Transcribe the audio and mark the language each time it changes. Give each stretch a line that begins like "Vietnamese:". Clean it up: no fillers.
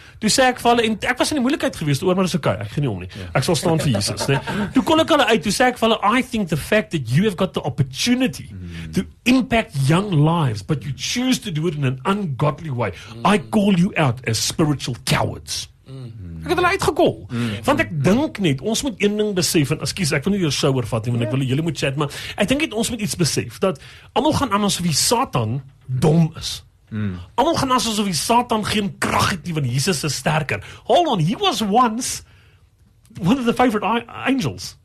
Afrikaans: Toe sê ek vir hulle, en ek was in die moeilikheid geweest oor, maar dis okay, ek gee nie om nie. Ek sal staan vir Jesus, né? Toe kon ek hulle uit, toe sê ek vir hulle,
English: I think the fact that you have got the opportunity to impact young lives, but you choose to do it in an ungodly way, I call you out as spiritual cowards.
Afrikaans: Ek het hulle uitgekol. Want ek dink net, ons moet een ding besef, en excuse, ek wil nie jou show oorvat nie, want ek wil julle moet chat, maar ek dink net ons moet iets besef, dat almal gaan aan ons wie Satan dom is. Almal gaan asof die Satan geen krag het nie, want Jesus is sterker.
English: Hold on, he was once one of the favorite angels.